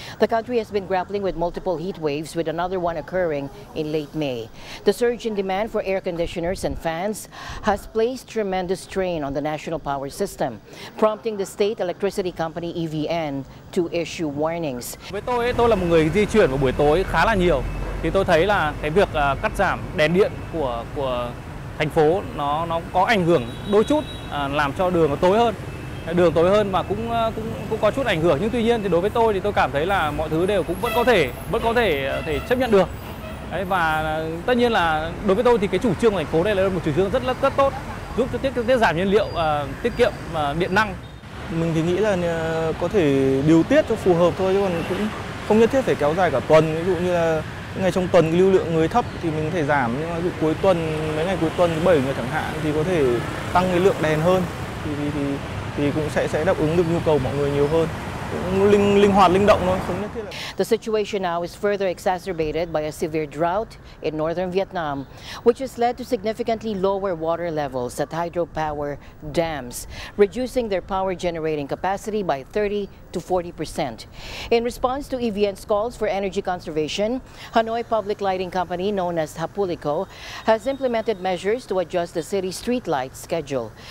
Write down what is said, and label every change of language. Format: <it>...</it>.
<en>The country has been grappling with multiple heat waves, with another one occurring in late May. The surge in demand for air conditioners and fans has placed tremendous strain on the national power system, prompting the state electricity company EVN to issue warnings.</en> <vi>Với tôi, tôi là một người di chuyển vào buổi tối khá là nhiều, thì tôi thấy là cái việc cắt giảm đèn điện của thành phố nó có ảnh hưởng đôi chút, làm cho đường tối hơn và cũng có chút ảnh hưởng, nhưng tuy nhiên thì đối với tôi thì tôi cảm thấy là mọi thứ đều cũng vẫn có thể chấp nhận được đấy. Và tất nhiên là đối với tôi thì cái chủ trương của thành phố đây là một chủ trương rất tốt, giúp cho tiết giảm nhiên liệu, tiết kiệm điện năng. Mình thì nghĩ là có thể điều tiết cho phù hợp thôi, chứ còn cũng không nhất thiết phải kéo dài cả tuần. Ví dụ như là ngày trong tuần lưu lượng người thấp thì mình có thể giảm, nhưng mà mấy ngày cuối tuần thứ bảy người chẳng hạn thì có thể tăng cái lượng đèn hơn thì cũng sẽ đáp ứng được nhu cầu mọi người nhiều hơn. Linh hoạt, linh động thôi.</vi> <en>The situation now is further exacerbated by a severe drought in northern Vietnam, which has led to significantly lower water levels at hydropower dams, reducing their power generating capacity by 30 to 40%. In response to EVN's calls for energy conservation, Hanoi Public Lighting Company, known as Hapulico, has implemented measures to adjust the city's streetlight schedule.</en>